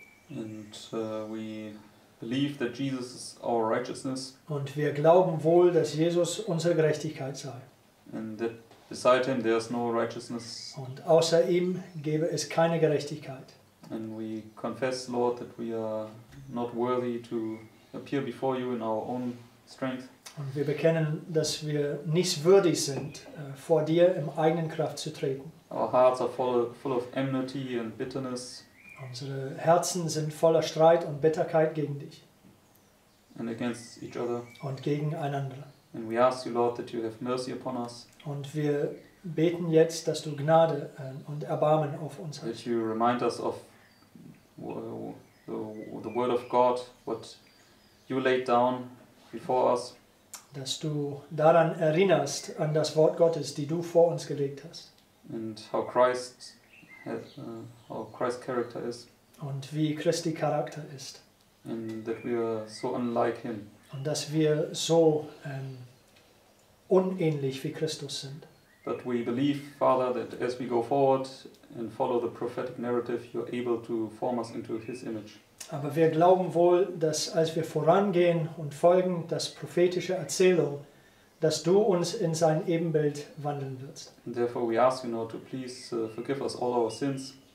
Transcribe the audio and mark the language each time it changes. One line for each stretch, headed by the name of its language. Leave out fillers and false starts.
English: And we believe that Jesus is our righteousness.
German: Und wir glauben wohl, dass Jesus unsere Gerechtigkeit sei.
English: And that beside him there is no righteousness.
German: Und außer ihm gäbe es keine Gerechtigkeit.
English: And we confess, Lord, that we are not worthy to appear before you in our own strength.
German: Und wir bekennen, dass wir nicht würdig sind, vor dir im eigenen Kraft zu treten.
English: Our hearts are full of enmity and bitterness.
German: Unsere Herzen sind voller Streit und Bitterkeit gegen dich.
English: And against each other.
German: Und gegeneinander.
English: And we ask you, Lord, that you have mercy upon us.
German: Und wir beten jetzt, dass du Gnade und Erbarmen auf uns hast.
English: That you remind us of the word of God, what you laid down before us.
German: Dass du daran erinnerst, an das Wort Gottes, die du vor uns gelegt hast.
English: And how Christ's character is.
German: Und wie Christi Charakter ist.
English: And that we are so unlike him.
German: Und dass wir so unähnlich wie Christus sind.
English: But we believe, Father, that as we go forward and follow the prophetic narrative, you're able to form us into his image.
German: Aber wir glauben wohl, dass als wir vorangehen und folgen das prophetische Erzählung, dass du uns in sein Ebenbild wandeln wirst.
English: And therefore we ask you now to please forgive us all our sins.